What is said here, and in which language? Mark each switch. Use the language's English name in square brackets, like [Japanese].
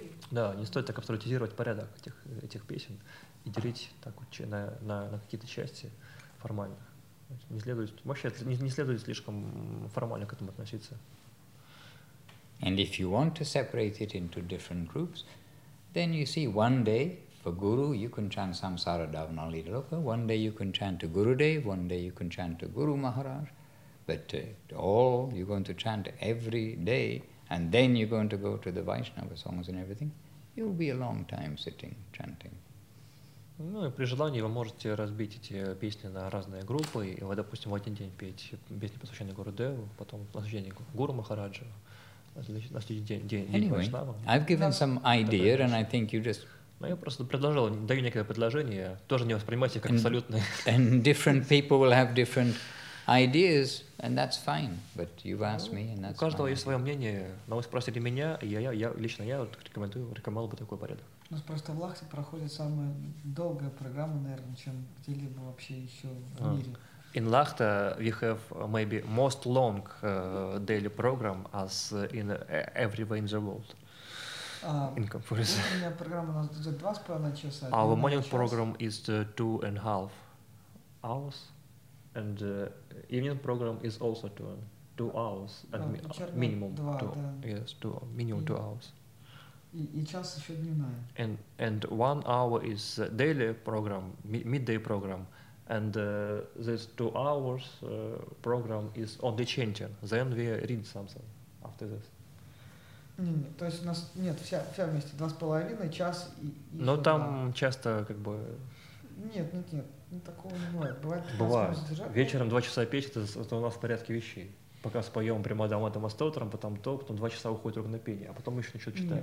[Russian] Да, не стоит так абсолютизировать порядок этих песен и делить так вот на какие-то части формально. Не следует слишком формально к этому относиться. [English] And if you want to separate it into different groups, then you see one day for Guru you can chant Samsara Dhavana Lidaloka, one day you can chant to Gurudev, one day you can chant to Guru Maharaj, but all you're going to chant every day. And then you're going to go to the Vaishnava songs and everything, you'll be a long time sitting, chanting. [Russian] Ну, и при желании вы можете разбить эти песни на разные группы, и вы, допустим, в один день петь песни, посвященные Гурудеву, потом посвященные Гуру Махараджу, на следующий день Вайшнава. [English] Anyway, I've given some idea, and I think you just... [Russian] Ну, я просто предложил, даю некое предложение, тоже не воспринимайте как абсолютное. [English] And different people will have different... ideas, and that's fine, but you've asked me, and that's fine. [Russian] У каждого есть свое мнение, но вы спросили меня, и я лично рекомендовал бы такой порядок. У нас просто в Лахте проходит самая долгая программа, наверное, чем где-либо вообще еще в мире. [English] In Lahta, we have maybe most long daily program as in everywhere in the world. [Russian] У меня программа у нас 2.5 часа. [English] Our morning program is 2.5 hours. And evening program is also two hours, minimum two hours. [Russian] И час еще дневная. [English] And 1 hour is daily program, midday program, and this 2 hours program is only chanting. Then we read something after this. [Russian] Не, то есть у нас нет вся вместе 2.5 час. Но там часто как бы. Нет. Такого не бывает. Бывает. Вечером 2 часа петь, это у нас в порядке вещей. Пока споем прямо до Адама Стоутером, потом 2 часа уходит рук на пение, а потом мы еще что-то читаем.